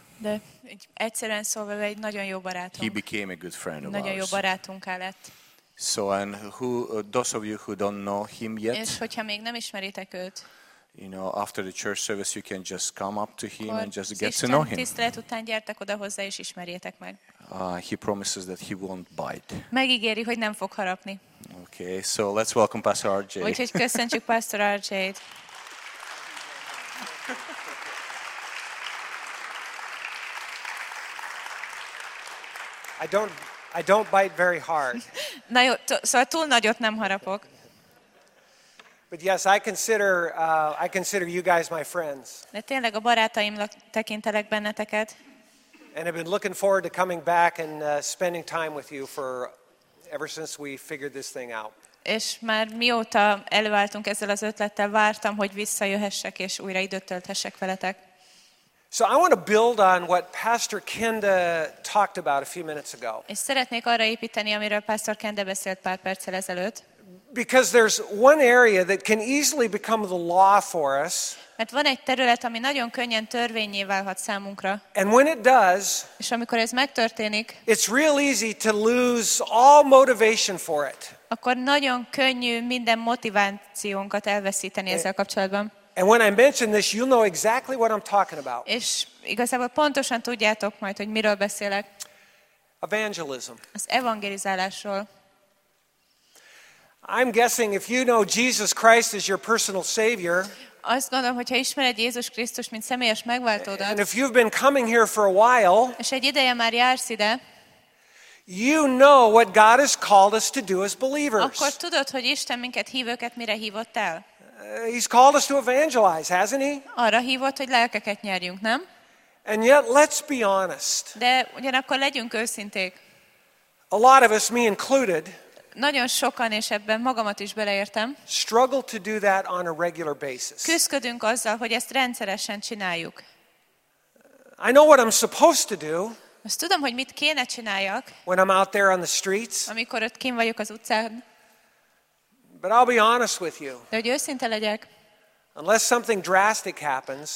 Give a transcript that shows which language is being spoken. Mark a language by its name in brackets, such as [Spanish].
[Hungarian] De egyszerűen szólva, egy nagyon jó barátunk. [English] He became a good friend of ours. [Hungarian] Nagyon jó barátunkká lett. [English] So, and who those of you who don't know him yet? [Hungarian] És hogyha még nem ismeritek őt. [English] You know, after the church service, you can just come up to him and just get to know him. [Hungarian] Tisztelet után gyertek oda hozzá és ismerjétek meg. [English] He promises that he won't bite. [Hungarian] Megígéri, hogy nem fog harapni. [English] Okay, so let's welcome Pastor RJ. [Hungarian] Úgyhogy köszöntjük Pastor RJ-t. [English] I don't bite very hard. [Hungarian] Na jó, szóval túl nagyot nem harapok. [English] But yes, I consider you guys my friends. [Hungarian] De tényleg a barátaimnak tekintelek benneteket. [English] And I've been looking forward to coming back and spending time with you for ever since we figured this thing out. [Hungarian] És már mióta előálltunk ezzel az ötlettel, vártam, hogy visszajöhessek és újra időt tölthessek veletek. [English] So I want to build on what Pastor Kenda talked about a few minutes ago. [Hungarian] És szeretnék arra építeni, amiről Pastor Kenda beszélt pár perccel ezelőtt. [English] Because there's one area that can easily become the law for us. [Hungarian] Mert van egy terület, ami nagyon könnyen törvénnyé válhat számunkra. [English] And when it does, [Hungarian] és amikor ez megtörténik, [English] it's real easy to lose all motivation for it. [Hungarian] Akkor nagyon könnyű minden motivációnkat elveszíteni ezzel kapcsolatban. [English] And when I mention this, you'll know exactly what I'm talking about. [Hungarian] És igazából pontosan tudjátok majd, hogy miről beszélek. [English] Evangelism. [Hungarian] Az evangelizálásról. [English] I'm guessing if you know Jesus Christ as your personal savior, [Hungarian] azt gondolom, hogyha ismered Jézus Krisztus mint személyes megváltódat, [English] and if you've been coming here for a while, [Hungarian] és egy ideje már jársz ide, [English] you know what God has called us to do as believers. [Hungarian] Akkor tudod, hogy Isten minket hívőket mire hívott el. [English] He's called us to evangelize, hasn't he? [Hungarian] Arra hívott, hogy lelkeket nyerjünk, nem? [English] And yet, let's be honest. [Hungarian] De ugyanakkor legyünk őszinték. [English] A lot of us, me included, [Hungarian] nagyon sokan, és ebben magamat is beleértem, [English] struggle to do that on a regular basis. [Hungarian] Küzdködünk azzal, hogy ezt rendszeresen csináljuk. [English] I know what I'm supposed to do. [Hungarian] Azt tudom, hogy mit kéne csináljak. [English] When I'm out there on the streets. [Hungarian] Amikor ott kint vagyok az utcán. [English] But I'll be honest with you. [Hungarian] De hogy őszinte legyek. [English] Unless something drastic happens.